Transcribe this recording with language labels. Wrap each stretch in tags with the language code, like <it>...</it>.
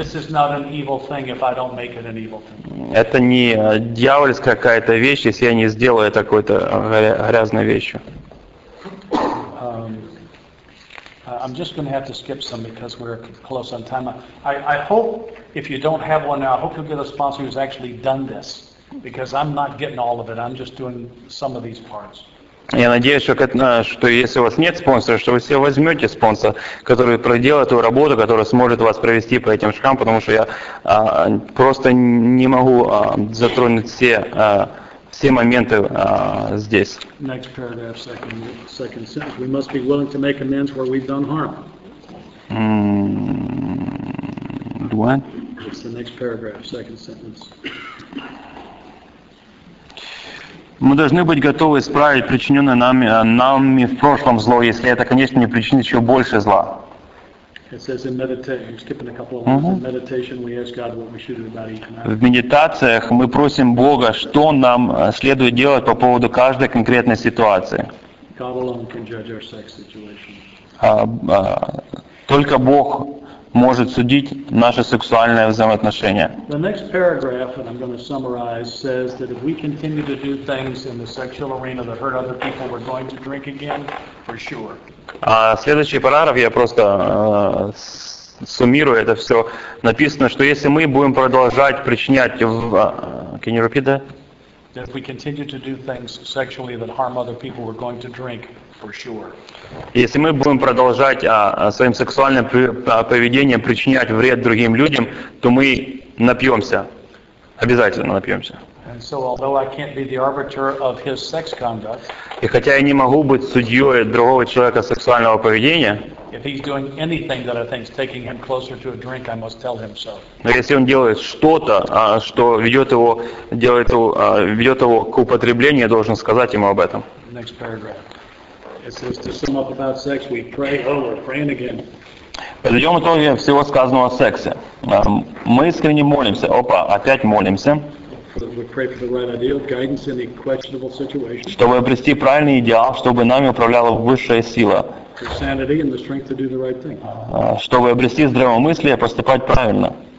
<en>This is not an evil thing if I don't make it an evil thing.</en> <ru>Это не дьявольская какая-то вещь, если я не сделаю какой-то грязной вещью.</ru> <en>I'm just going to have to skip some because we're close on time. I hope if you don't have one now, I hope you'll get a sponsor who's actually done this because I'm not getting all of it. I'm just doing some of these parts.</en> <ru>Я надеюсь, что если у вас нет спонсора, что вы себе возьмете спонсора, который проделает эту работу, который сможет вас провести по этим шкам, потому что я просто не могу затронуть все моменты здесь.</ru> <en>Next paragraph, second sentence. We must be willing to make amends where we've done harm. It's the next paragraph, second sentence.</en> <ru>Мы должны быть готовы исправить причиненное нами в прошлом зло, если это, конечно, не причинит еще больше зла. В медитациях мы просим Бога, что нам следует делать по поводу каждой конкретной ситуации. Только Бог может судить наши сексуальные взаимоотношения.</ru> <en>The next paragraph, and I'm going to summarize, says that if we continue to do things in the sexual arena that hurt other people, we're going to drink again, for sure.</en> <ru>А следующий параграф я просто суммирую это все. Написано, что если мы будем продолжать причинять</ru> <en>can you repeat that? That if we continue to do things sexually that harm other people, we're going to drink.</en> <ru>Если мы будем продолжать своим сексуальным поведением причинять вред другим людям, то мы напьемся. Обязательно напьемся.</ru> <en>And so, although I can't be the arbiter of his sex conduct,</en> <ru>и хотя я не могу быть судьей другого человека сексуального поведения,</ru> <en>if he's doing anything that I think is taking him closer to a drink, I must tell him so.</en> <ru>Но если он делает что-то, что ведет его к употреблению, я должен сказать ему об этом.</ru> <en>Next paragraph. It says to sum up about sex, we pray. Oh, we're praying again.</en> <ru>Подведем итоги всего сказанного о сексе. Мы искренне молимся. Опа, опять молимся. Чтобы обрести правильный идеал, чтобы нами управляла высшая сила. Чтобы обрести здравомыслие, поступать правильно.</ru>